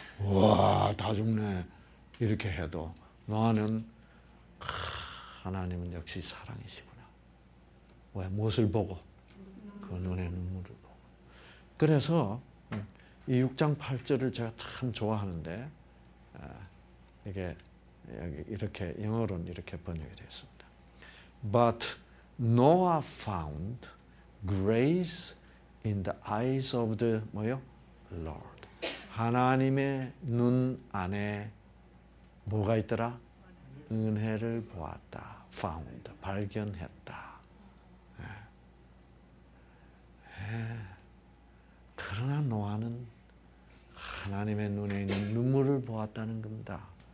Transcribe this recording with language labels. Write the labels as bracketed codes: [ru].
[ko] 와, 다 죽네 이렇게 해도 노아는 하나님은 역시 사랑이시구나. 왜? 무엇을 보고? 그 눈의 눈물을 보고. 그래서 이 6장 8절을 제가 참 좋아하는데 이게 여기 이렇게 영어로는 이렇게 번역이 되었습니다. [en] But Noah found grace in the eyes of the [ko] 뭐요? [en] Lord. [ko] 하나님의 눈 안에 뭐가 있더라? 은혜를 보았다. Found. 발견했다. 예. 예. 그러나 노아는 하나님의 눈에 있는 눈물을 보았다는 겁니다.